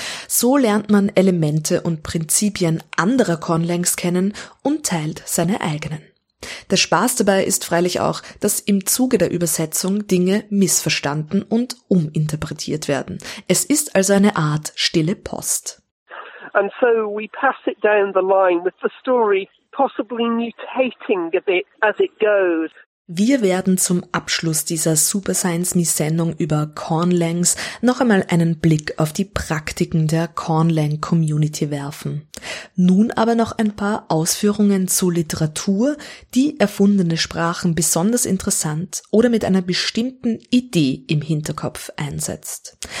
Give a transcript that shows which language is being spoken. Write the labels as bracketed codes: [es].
[de] So lernt man Elemente und Prinzipien anderer Kornlangs kennen und teilt seine eigenen. Der Spaß dabei ist freilich auch, dass im Zuge der Übersetzung Dinge missverstanden und uminterpretiert werden. Es ist also eine Art stille Post. [en] And so we pass it down the line with the story possibly mutating a bit as it goes. [de] Wir werden zum Abschluss dieser Super Science Me Sendung über Kornlangs noch einmal einen Blick auf die Praktiken der Kornlang Community werfen. Nun aber noch ein paar Ausführungen zu Literatur, die erfundene Sprachen besonders interessant oder mit einer bestimmten Idee im Hinterkopf einsetzt.